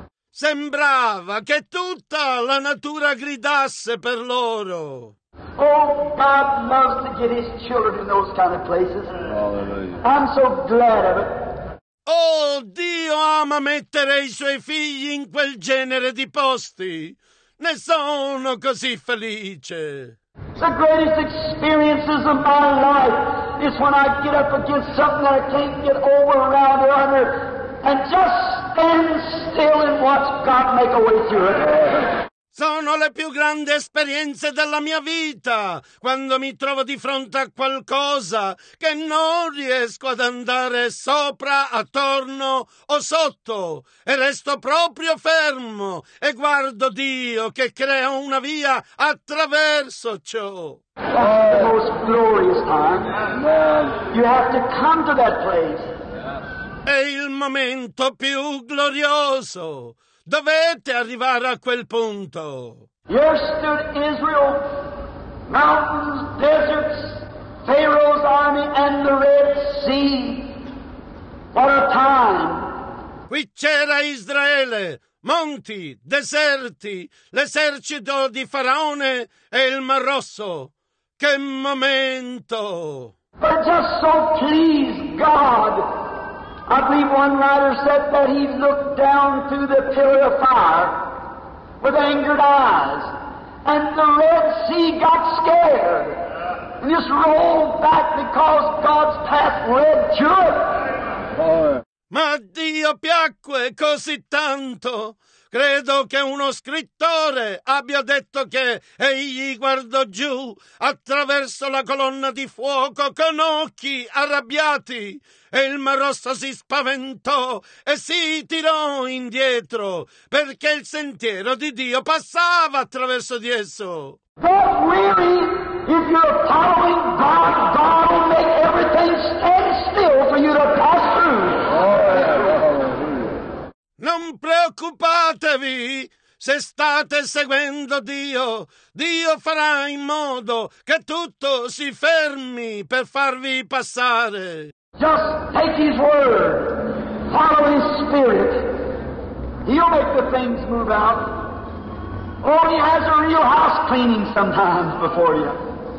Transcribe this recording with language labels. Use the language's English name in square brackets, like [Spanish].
[Italian] Sembrava che tutta la natura gridasse per loro. [English] Oh, God loves to get his children in those kind of places. Hallelujah. I'm so glad of it. [Italian] Oh, Dio ama mettere i suoi figli in quel genere di posti. Ne sono così felice. [English] The greatest experiences of my life is when I get up against something that I can't get over around or under and just stand still and watch God make a way through it. [Italian] Sono le più grandi esperienze della mia vita, quando mi trovo di fronte a qualcosa che non riesco ad andare sopra, attorno o sotto, e resto proprio fermo e guardo Dio che crea una via attraverso ciò. [English] The most glorious time. You have to come to that place. [Italian] È il momento più glorioso. Dovete arrivare a quel punto. [English] Here stood Israel, mountains, deserts, Pharaoh's army and the Red Sea. What a time! [Italian] Qui c'era Israele, monti, deserti, l'esercito di Faraone e il Mar Rosso. Che momento! [English] But just so please God. I believe one writer said that he looked down through the pillar of fire with angered eyes, and the Red Sea got scared and just rolled back because God's path led to it. [Italian] Ma Dio piacque così tanto. Credo che uno scrittore abbia detto che egli guardò giù attraverso la colonna di fuoco con occhi arrabbiati e il Mar Rosso si spaventò e si tirò indietro perché il sentiero di Dio passava attraverso di esso. [English] Don't worry, if you're following God, God will make everything stand still for you to pass through. [Italian] Non preoccupatevi, se state seguendo Dio, Dio farà in modo che tutto si fermi per farvi passare. [English] Just take his word, follow his spirit. He'll make the things move out. Oh, he has a real house cleaning sometimes before you.